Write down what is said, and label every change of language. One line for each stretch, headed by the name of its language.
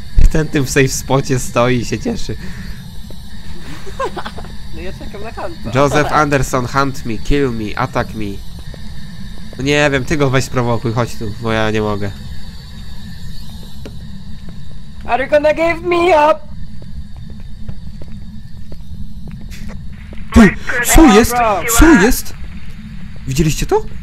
Polish: Ten tym w safe spocie stoi i się cieszy. No ja czekam na hunta.
English: Joseph Anderson, hunt me, kill me, attack me.
Polish: No nie wiem, ty go weź sprowokuj, chodź tu, bo ja nie mogę.
English: Are you gonna give me up?
Polish: Ty, co jest? Co jest? Widzieliście to?